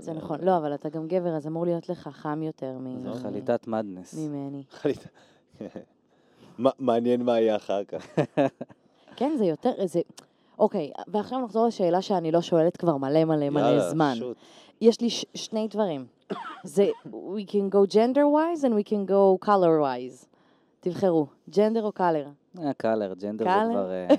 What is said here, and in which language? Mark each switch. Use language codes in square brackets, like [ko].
[he] זה נכון, לא, אבל אתה גם גבר, אז אמור להיות לך חם יותר מ... זה חליטת מדנס. ממני. מעניין מה יהיה אחר כך. כן, זה יותר... אוקיי, ועכשיו נחזור לשאלה שאני לא שואלת כבר מלא זמן. יש לי שני דברים. [en] זה, we can go gender-wise and we can go color-wise. [he] תבחרו, gender או color? color, gender זה כבר...